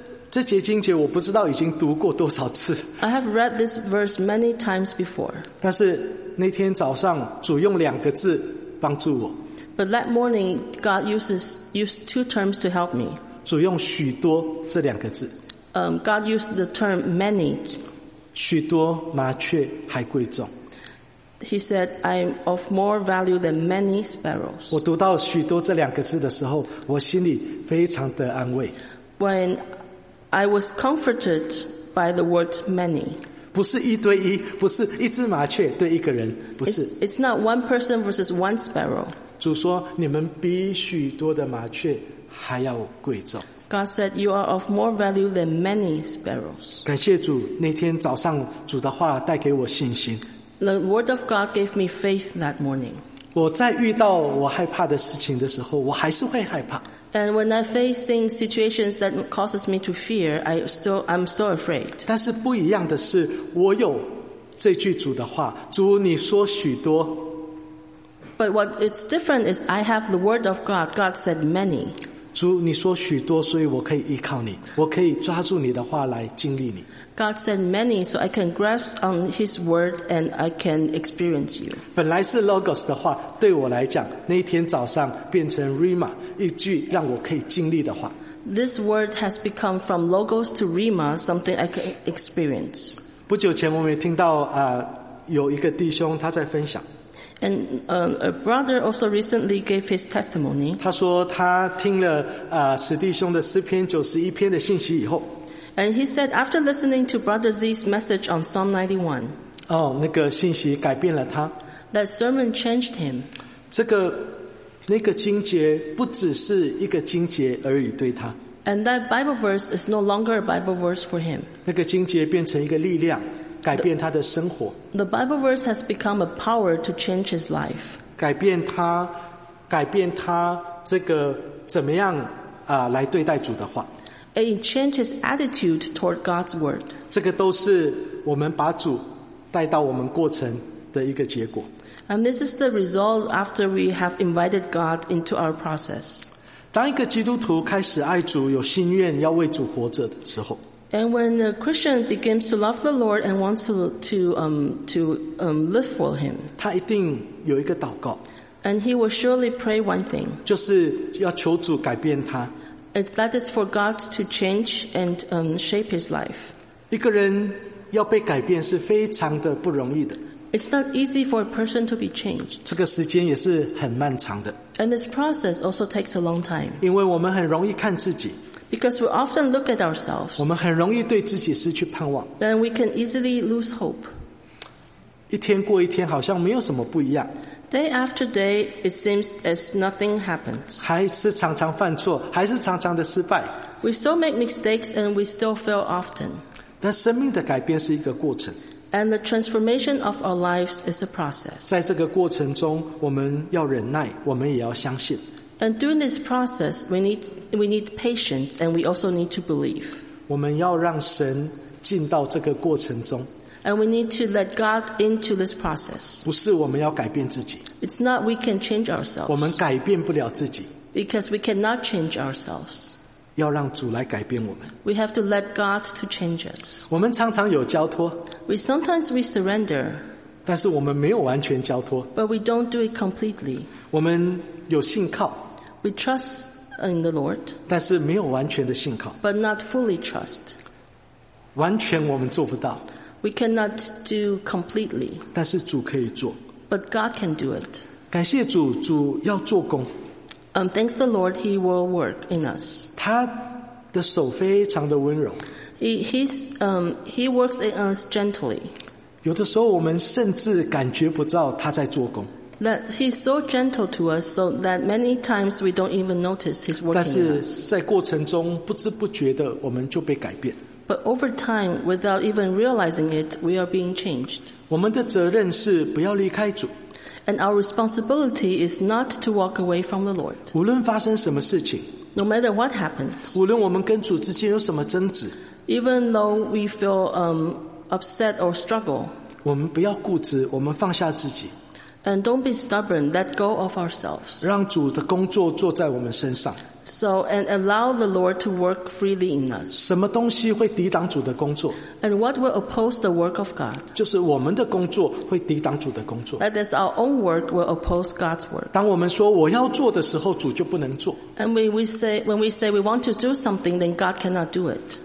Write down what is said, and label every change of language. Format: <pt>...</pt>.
<zh>这节经节我不知道已经读过多少次。</zh> <en>I have read this verse many times before.</en> <zh>但是那天早上主用两个字帮助我。</zh> <en>But that morning God used two terms to help me.</en> <zh>主用许多这两个字。</zh> <en>God used the term many.</en> <zh>许多麻雀还贵重。</zh> <en>He said, "I'm of more value than many sparrows."</en> <zh>我读到许多这两个字的时候，我心里非常的安慰。</zh> <en>When I was comforted by the word many.</en> <zh>不是一对一，不是一只麻雀对一个人，不是。</zh> <en>It's not one person versus one sparrow.</en> <zh>主说你们比许多的麻雀还要贵重。</zh> <en>God said you are of more value than many sparrows.</en> <zh>感谢主，那天早上主的话带给我信心。</zh> <en>The word of God gave me faith that morning.</en> <zh>我在遇到我害怕的事情的时候，我还是会害怕。</zh> <en>And when I'm facing situations that causes me to fear, I'm still afraid.</en> <zh>但是不一样的是，我有这句主的话，主你说许多。</zh> <en>But what is different is I have the word of God. God said many.</en> <zh>主你说许多，所以我可以依靠你，我可以抓住你的话来经历你。</zh> <en>God said many, so I can grasp on His word and I can experience you.</en> <zh>本来是 logos 的话，对我来讲，那天早上变成 rhema。一句让我可以经历的话。</zh> <en>This word has become from logos to rhema, something I can experience.</en> <zh>不久前我们也听到有一个弟兄他在分享。</zh> <en>And a brother also recently gave his testimony.</en> <zh>他说他听了史弟兄的诗篇九十一篇的信息以后。</zh> <en>And he said after listening to Brother Z's message on Psalm 91.</en> <zh>哦，那个信息改变了他。</zh> <en>That sermon changed him.</en> <zh>这个。那个经节不只是一个经节而已，对他。</zh> <en>And that Bible verse is no longer a Bible verse for him.</en> <zh>那个经节变成一个力量，改变他的生活。</zh> <en>The Bible verse has become a power to change his life.</en> <zh>改变他这个怎么样来对待主的话。</zh> <en>It changes attitude toward God's word.</en> <zh>这个都是我们把主带到我们过程的一个结果。</zh> <en>And this is the result after we have invited God into our process.</en> <zh>当一个基督徒开始爱主，有心愿要为主活着的时候。</zh> <en>And when a Christian begins to love the Lord and wants to live for him.</en> <zh>他一定有一个祷告。</zh> <en>And he will surely pray one thing.</en> <zh>就是要求主改变他。</zh> <en>That is for God to change and shape his life.</en> <zh>一个人要被改变是非常的不容易的。</zh> <en>It's not easy for a person to be changed.</en> <zh>这个时间也是很漫长的。</zh> <en>And this process also takes a long time.</en> <zh>因为我们很容易看自己。</zh> <en>Because we often look at ourselves.</en> <zh>我们很容易对自己失去盼望。</zh> <en>And we can easily lose hope.</en> <zh>一天过一天好像没有什么不一样。</zh> <en>Day after day, it seems as nothing happens.</en> <zh>还是常常犯错，还是常常的失败。</zh> <en>We still make mistakes and we still fail often.</en> <zh>但生命的改变是一个过程。</zh> <en>And the transformation of our lives is a process.</en> <zh>在这个过程中，我们要忍耐，我们也要相信。</zh> <en>And during this process, we need patience and we also need to believe.</en> <zh>我们要让神进到这个过程中。</zh> <en>And we need to let God into this process.</en> <zh>不是我们要改变自己。</zh> <en>It's not we can change ourselves.</en> <zh>我们改变不了自己。</zh> <en>Because we cannot change ourselves.</en> <zh>要让主来改变我们。</zh> <en>We have to let God to change us.</en> <zh>我们常常有交托。</zh> <en>Sometimes we surrender.</en> <zh>但是我们没有完全交托。</zh> <en>But we don't do it completely.</en> <zh>我们有信靠。</zh> <en>We trust in the Lord.</en> <zh>但是没有完全的信靠。</zh> <en>But not fully trust.</en> <zh>完全我们做不到。</zh> <en>We cannot do completely.</en> <zh>但是主可以做。</zh> <en>But God can do it.</en> <zh>感谢主，主要做工。</zh> <en>Thanks the Lord, He will work in us.</en> <zh>他的手非常的温柔。</zh> <en>He works in us gently.</en> <zh>有的时候我们甚至感觉不到他在做工。</zh> <en>That He's so gentle to us, so that many times we don't even notice He's working in us.</en> <zh>但是在过程中不知不觉的我们就被改变。</zh> <en>But over time, without even realizing it, we are being changed.</en> <zh>我们的责任是不要离开主。</zh> <en>And our responsibility is not to walk away from the Lord.</en> <zh>无论发生什么事情。</zh> <en>No matter what happens.</en> <zh>无论我们跟主之间有什么争执。</zh> <en>Even though we feel upset or struggle.</en> <zh>我们不要固执，我们放下自己。</zh> <en>And don't be stubborn, let go of ourselves.</en> <zh>让主的工作坐在我们身上。</zh> <en>So, and allow the Lord to work freely in us.</en> <zh>什么东西会抵挡主的工作?</zh> <en>And what will oppose the work of God?</en> <zh>就是我们的工作会抵挡主的工作。</zh> <en>That is our own work will oppose God's work.</en> <zh>当我们说我要做的时候,主就不能做。</zh> <en>And when we say we want to do something, then God cannot do it.</en>